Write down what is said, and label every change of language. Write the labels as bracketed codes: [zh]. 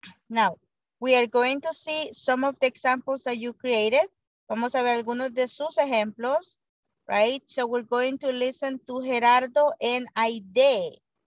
[en] Now, we are going to see some of the examples that you created. [es] Vamos a ver algunos de sus ejemplos, right? [en] So we're going to listen to Gerardo and Aide.